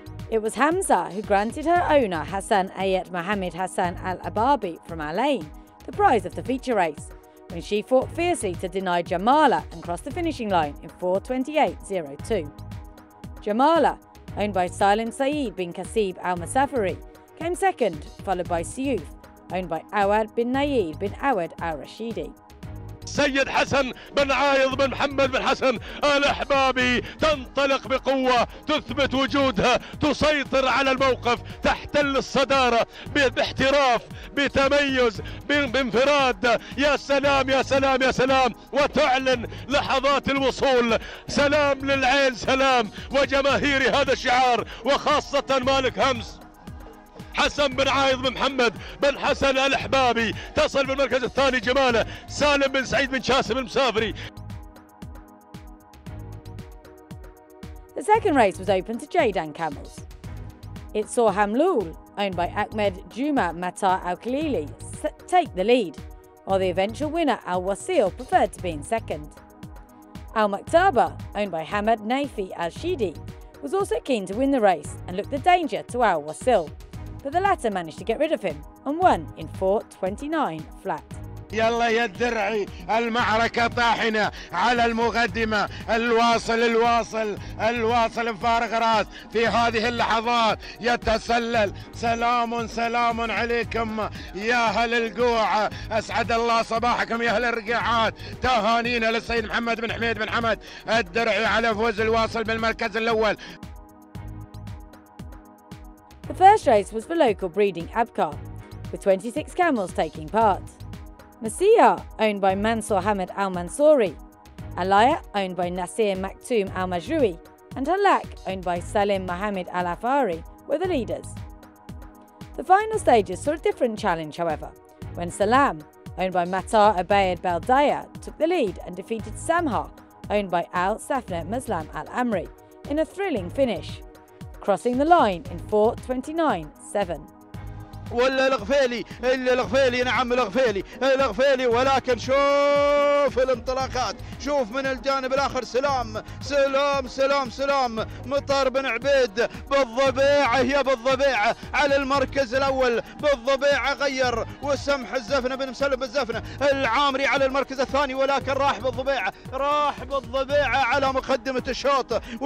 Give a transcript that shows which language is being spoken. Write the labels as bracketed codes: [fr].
[en] It was Hamza who granted her owner Hassan Ayat Mohammed Hassan Al Ababi from Al Ain the prize of the feature race, when she fought fiercely to deny Jamala and cross the finishing line in 4:28.02. Jamala, owned by Salim Saeed bin Kasib Al Masafari, came second, followed by Siouf, owned by Awad bin Nayid bin Awad al-Rashidi. [ar] سيد حسن بن عايض بن محمد بن حسن الأحبابي تنطلق بقوة تثبت وجودها تسيطر على الموقف تحتل الصدارة باحتراف بتميز بانفراد. يا سلام يا سلام يا سلام وتعلن لحظات الوصول. سلام للعين سلام وجماهير هذا الشعار وخاصة مالك همس. حسن بن عايض بن محمد بن حسن الأحبابي تصل بالمركز الثاني جماله سالم بن سعيد بن شاسم المسافري. [en] The second race was open to Jaydan camels. It saw Hamloul, owned by Ahmed Juma Matar Al-Khalili, take the lead, while the eventual winner Al-Wasil preferred to be in second. Al-Maktaba, owned by Hamad Nafi Al-Shidi, was also keen to win the race and looked the danger to Al-Wasil. But the latter managed to get rid of him and won in 4:29 flat. [ar] يلا يا الدرعي المعركة طاحنة على المقدمة الواصل الواصل الواصل بفارغ راس في هذه اللحظات يتسلل. سلام سلام عليكم يا أهل القوعة أسعد الله صباحكم يا أهل الرقيعات. تهانينا للسيد محمد بن حميد بن حمد الدرعي على فوز الواصل بالمركز الأول. [en] The first race was for local breeding Abkar, with 26 camels taking part. Masiya, owned by Mansour Hamid Al-Mansouri, Alaya, owned by Nasir Maktoum Al-Majroui, and Halak, owned by Salim Mohamed Al-Afari, were the leaders. The final stages saw a different challenge, however, when Salam, owned by Matar Abayed Baldaya, took the lead and defeated Samha, owned by Al-Safna Maslam Al-Amri, in a thrilling finish, crossing the line in 4:29.7. [ar] ولا الغفيلي الا الغفيلي نعم الغفيلي الغفيلي ولكن شوف الانطلاقات شوف من الجانب الاخر سلام سلام سلام سلام مطار بن عبيد بالضبيعه يا بالضبيعه على المركز الاول بالضبيعه غير وسمح الزفنه بن مسلم بالزفنه العامري على المركز الثاني ولكن راح بالضبيعه راح بالضبيعه على مقدمه الشوط